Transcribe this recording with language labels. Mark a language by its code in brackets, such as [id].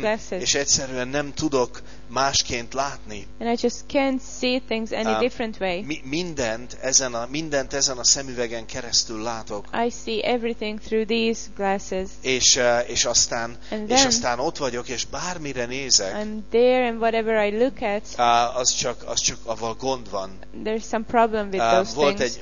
[hu] És egyszerűen nem tudok másként látni. [en] And I just can't see things any different way. [hu] Mindent ezen a szemüvegen keresztül látok. [en] I see everything through these glasses. [hu] És aztán ott vagyok, és bármire nézek. [en] I'm there and whatever I look at. [hu] Az csak avval gond van. [en] There's some problem with those things.